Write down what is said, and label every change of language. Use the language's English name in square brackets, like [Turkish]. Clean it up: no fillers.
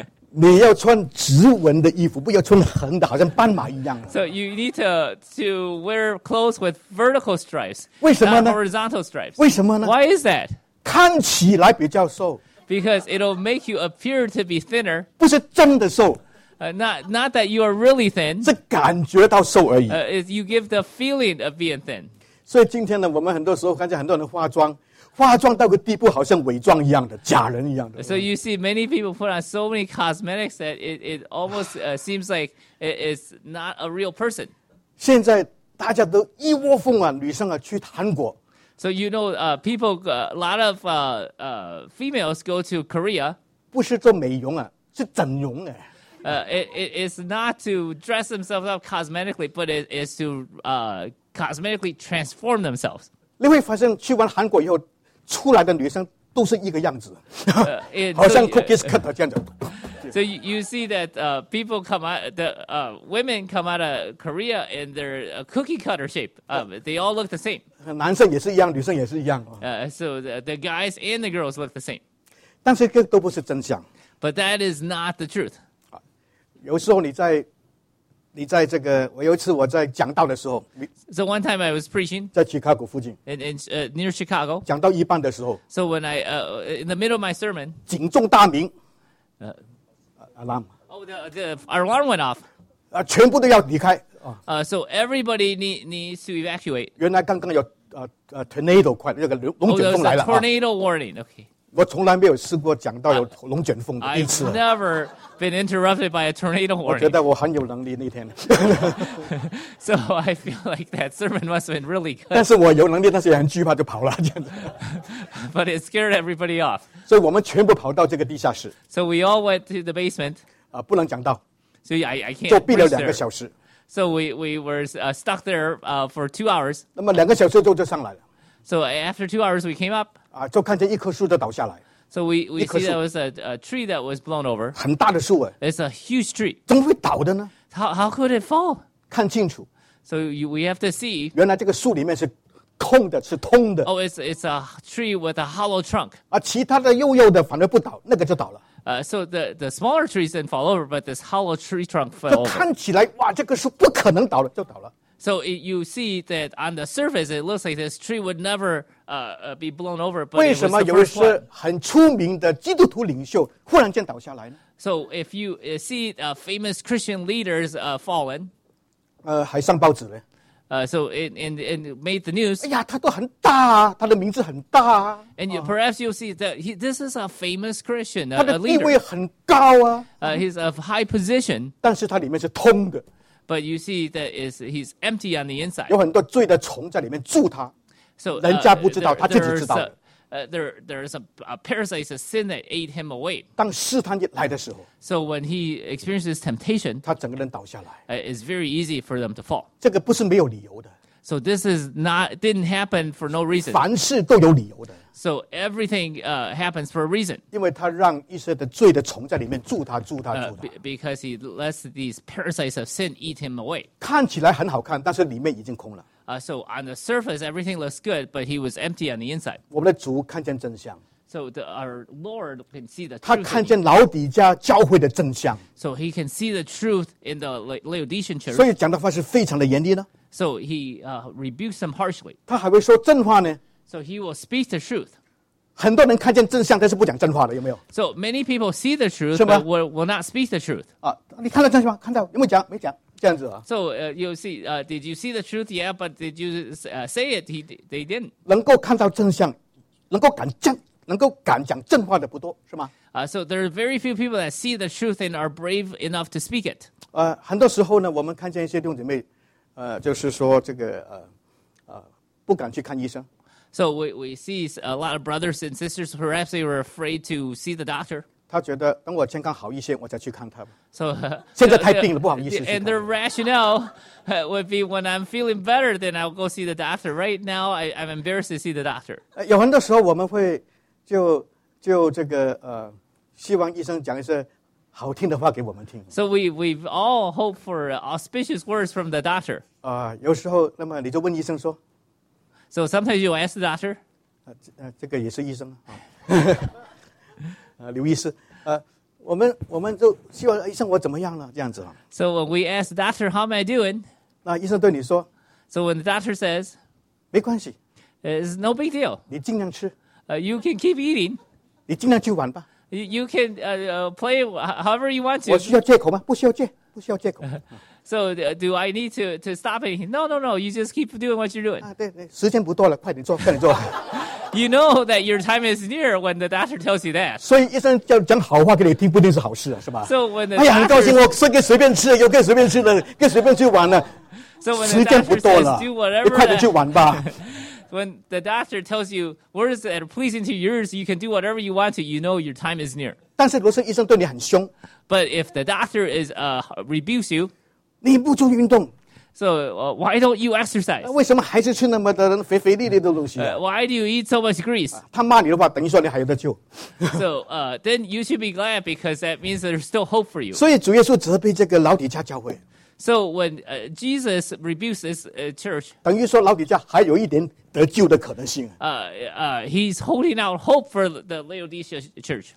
[Chinese] 你要穿直纹的衣服,不要穿横的,好像斑马一样。 [English] So you need to wear clothes with vertical stripes, [Chinese] 为什么呢? [English] Not horizontal stripes. [Chinese] 为什么呢? [English] Why is that? [Chinese] 看起来比较瘦。 [English] Because it'll make you appear to be thinner. [Chinese] 不是真的瘦。 [English] Not that you are really thin. [Chinese] 是感觉到瘦而已。 [English] You give the feeling of being thin. [Chinese] 所以今天呢,我们很多时候看见很多人化妆, 化妆到个地步好像伪装一样的,假人一样的。 [English] So you see many people put on so many cosmetics that it almost seems like it's not a real person. [Chinese] 现在大家都一窝蜂啊,女生啊,去韩国。 [English] So you know, a lot of females go to Korea. [Chinese] 不是做美容啊,是整容哎。 [English] It's not to dress themselves up cosmetically, but it is to cosmetically transform themselves. [Chinese] 你会发现去完韩国以后, 出来的女生都是一个样子, 好像 [English] cookies cut [Chinese] 这样子, [English] So you see that people come out, the women come out of Korea in their cookie cutter shape. They all look the same. [Chinese] 男生也是一样, 女生也是一样, [English] so the guys and the girls look the same. [Chinese] 但是都不是真相, [English] but that is not the truth. [Chinese] 有时候你在这个, 有一次我在讲道的时候, [English] so one time I was preaching [Chinese] 在Chicago附近, [English] near Chicago. [Chinese] 讲到一半的时候, [English] so when I, in the middle of my sermon, [Chinese] 警钟大鸣, [English] alarm. Oh, the alarm went off. [Chinese] 全部都要离开, [English] so everybody needs to evacuate. [Chinese] 原来刚刚有, tornado, 快,那个龙卷风来了, [English] oh, tornado warning. Okay. [Chinese] 我从来没有试过讲到有龙卷风的一次, [English] I've never been interrupted by a tornado warning. [Chinese] 我觉得我很有能力那天, [English] so I feel like that sermon must have been really good. [Chinese] 但是我有能力, 但是也很惧怕, 就跑了, 这样子, [English] but it scared everybody off. [Chinese] 所以我们全部跑到这个地下室, [English] so we all went to the basement. [Chinese] 不能讲到, [English] so I can't. [Chinese] 就闭了两个小时, [English] so we were stuck there for 2 hours. [Chinese] 那么两个小时就上来了, [English] so after 2 hours we came up. [Chinese] 就看见一棵树都倒下来, [English] so we see that was a tree that was blown over. [Chinese] 很大的树, [English] it's a huge tree. [Chinese] 怎么会倒的呢? [English] How could it fall? [Chinese] 看清楚, [English] so we have to see. [Chinese] 原来这个树里面是空的, 是通的, [English] oh, it's a tree with a hollow trunk. [Chinese] 其他的幼幼的反而不倒, 那个就倒了, [English] so the smaller trees didn't fall over, but this hollow tree trunk fell over. [Chinese] 就看起来, 哇, 这个树不可能倒了, 就倒了. [English] So you see that on the surface, it looks like this tree would never be blown over, but it was the first one. [Chinese] 为什么有一些很出名的基督徒领袖忽然间倒下来呢? [English] So if you see famous Christian leaders fallen, [Chinese] 还上报纸呢? [English] So it made the news. [Chinese] 哎呀, 他都很大啊, 他的名字很大啊, [English] and you, perhaps you'll see that this is a famous Christian, a leader. [Chinese] 他的地位很高啊, [English] he's of high position. [Chinese] 但是他里面是通的, [English] but you see that is he's empty on the inside. [Chinese] 有很多罪的虫在里面住他, [English] so, [Chinese] 人家不知道, [English] there's a parasite, a sin that ate him away. [Chinese] 当试探来的时候, [English] so when he experiences temptation, [Chinese] 他整个人倒下来, [English] it's very easy for them to fall. [Chinese] 这个不是没有理由的, [English] so this is not didn't happen for no reason. [Chinese] 凡事都有理由的, [English] so everything happens for a reason. [Chinese] 因为他让一些的罪的虫在里面住他, [English] because he lets these parasites of sin eat him away. [Chinese] 看起来很好看, 但是里面已经空了. [English] So on the surface, everything looks good, but he was empty on the inside. [Chinese] 我们的主看见真相, [English] so our Lord can see the truth. [Chinese] 他看见老底家教会的真相, [English] so he can see the truth in the Laodicean church. [Chinese] 所以讲的话是非常的严厉呢, [English] so he rebukes them harshly. [Chinese] 他还会说真话呢, [English] so he will speak the truth. [Chinese] 很多人看见真相, 但是不讲真话的, 有没有? [English] So many people see the truth, [Chinese] 是吗? [English] But will not speak the truth. [Chinese] 你看到真相吗?看到, 有没有讲?没讲?这样子啊, [English] so you see, did you see the truth? Yeah, but did you say it? They didn't. [Chinese] 能够看到真相, 能够敢讲真话的不多, 是吗? [English] So there are very few people that see the truth and are brave enough to speak it. [Chinese] 很多时候呢, 我们看见一些弟兄姐妹, 就是说这个, 不敢去看医生, [English] so we see a lot of brothers and sisters, perhaps they were afraid to see the doctor. [Chinese] 他觉得等我健康好一些, 我再去看他, [English] so, [Chinese] 现在太病了, 不好意思, [English] and their rationale would be, when I'm feeling better, then I'll go see the doctor. Right now, I'm embarrassed to see the doctor. [Chinese] 有很多时候我们会就这个, 希望医生讲一些好听的话给我们听, [English] so we've all hoped for auspicious words from the doctor. [Chinese] 有时候那么你就问医生说, [English] so sometimes you ask the doctor, [Chinese] 这个也是医生, 刘医师, 我们就希望, 医生我怎么样了, 这样子, [English] so when we ask the doctor, how am I doing? [Chinese] 那医生对你说, [English] so when the doctor says, [Chinese] 没关系, [English] it's no big deal. [Chinese] 你尽量吃, [English] you can keep eating. [Chinese] 你尽量去玩吧, [English] you can play however you want to. [Chinese] 我需要借口吗?不需要借, 不需要借口, [English] so do I need to stop anything? No, you just keep doing what you're doing. [Chinese] 对, 时间不多了, 快点做, 快点做, [English] you know that your time is near when the doctor tells you that. [Chinese] 所以医生讲好话给你听, 不一定是好事啊, 是吧? [English] So when the, [Chinese] 哎呀, 很高兴, 我是可以随便吃, 又可以随便吃的, 可以随便去玩啊, [English] so when the doctor says, do whatever, [Chinese] 快点去玩吧, [English] when the doctor tells you words that are pleasing to yours, you can do whatever you want to, you know your time is near. [Chinese] 但是如果是医生对你很凶, [English] but if the doctor rebukes you, [Chinese] 你不做运动, [English] So why don't you exercise? [Chinese] 为什么还是吃那么的肥肥烈烈的东西？ [English] Why do you eat so much grease? [Chinese] 他骂你的话，等于说你还有得救。 [English] So then you should be glad because that means there's still hope for you. [Chinese] 所以主耶稣责备这个老底家教会。 [English] So when Jesus rebukes this church, [Chinese] 等于说老底家还有一点得救的可能性。 [English] He's holding out hope for the Laodicea church.